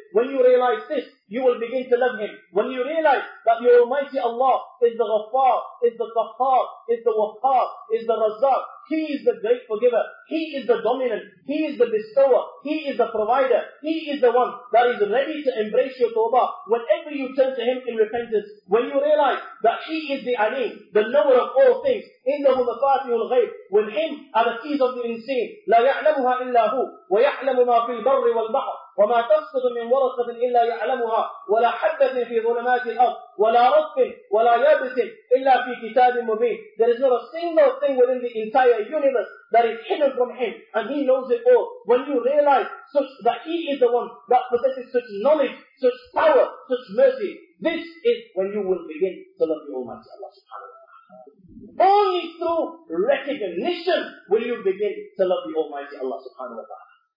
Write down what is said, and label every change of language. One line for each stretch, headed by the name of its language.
English: When you realize this, you will begin to love Him. When you realize that your Almighty Allah is the Ghaffar, is the Qahhar, is the Wahhab, is the Razzaq, He is the great forgiver, He is the dominant, He is the bestower, He is the provider, He is the one that is ready to embrace your tawbah whenever you turn to Him in repentance. When you realize that He is the Aleem, the knower of all things,
Arabic: إِنَّهُ مَفَاتِحُ الْغَيْبِ,
English: with Him are the keys of the unseen,
Arabic: لَا يَعْلَمُهَا إِلَّا هُوْ وَيَعْلَمُ مَا فِي الْبَرِّ وَالْبَحْرِ وَمَا تَسْقُطُ مِنْ وَرَقَةٍ إِلَّا يَعْلَمُهَا وَلَا حَبَّةٍ فِي ظُلُمَاتِ الْأَرْضِ وَلَا رَطْبٍ وَلَا يَابِسٍ إِلَّا فِي كِتَابٍ مُبِينٍ.
English: There is not a single thing within the entire universe that is hidden from Him, and He knows it all. When you realize such, that He is the one that possesses such knowledge, such power, such mercy, this is when you will begin to love the Almighty Allah subhanahu wa ta'ala. Only through recognition will you begin to love the Almighty Allah subhanahu wa ta'ala.